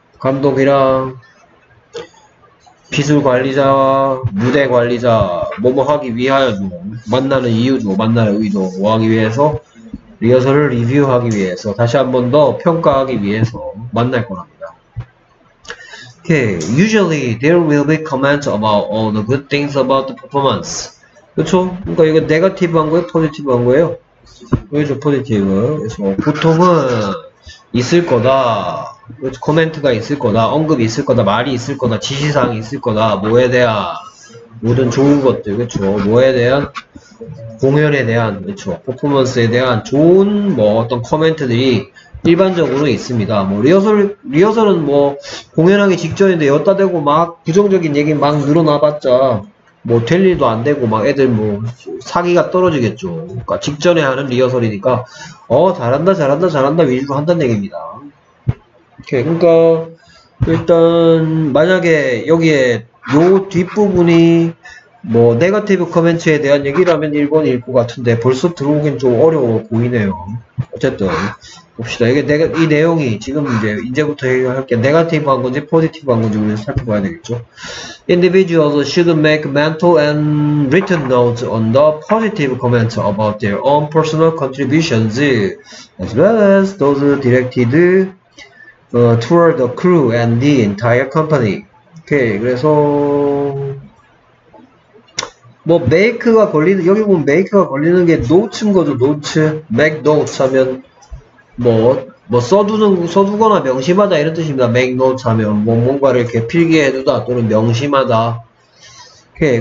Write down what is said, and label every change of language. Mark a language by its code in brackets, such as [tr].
[ko] 감독이랑 기술 관리자와 무대 관리자 뭐뭐 하기 위하여 만나는 이유도 만나는 의도 뭐 하기 위해서 리허설을 리뷰하기 위해서 다시 한번 더 평가하기 위해서 만날 거랍니다. [en] Okay, usually there will be comments about all the good things about the performance. [ko] 그렇죠? 그러니까 이거 네거티브한 거예요, 포지티브한 거예요? 그렇죠, 포지티브. 그래서 보통은 있을 거다. 그렇죠, 코멘트가 있을 거다. 언급이 있을 거다. 말이 있을 거다. 지시사항이 있을 거다. 뭐에 대한 모든 좋은 것들. 그렇죠? 뭐에 대한 공연에 대한 그렇죠? 퍼포먼스에 대한 좋은 뭐 어떤 코멘트들이 일반적으로 있습니다. 뭐 리허설은 뭐 공연하기 직전인데 여따 대고 막 부정적인 얘기 막 늘어놔봤자 뭐 될 일도 안 되고 막 애들 뭐 사기가 떨어지겠죠. 그러니까 직전에 하는 리허설이니까 잘한다 위주로 한다는 얘기입니다. 그러니까 일단 만약에 여기에 요 뒷부분이 뭐 네거티브 코멘트에 대한 얘기라면 1번일 것 같은데 벌써 들어오긴 좀 어려워 보이네요. 어쨌든 봅시다. 이게 이 내용이 지금 이제부터 얘기할게. 네거티브한 건지 포지티브한 건지 우리는 살펴봐야 되겠죠. [en] Individuals should make mental and written notes on the positive comments about their own personal contributions as well as those directed toward the crew and the entire company. [ko] 오케이. 그래서 뭐 메이크가 걸리는 여기 보면 메이크가 걸리는 게 노츠인 거죠. 노츠. 맥 노츠 하면 뭐 써두거나 명심하다 이런 뜻입니다. 맥 노츠 하면 뭐 뭔가를 이렇게 필기해 두다 또는 명심하다. 오케이.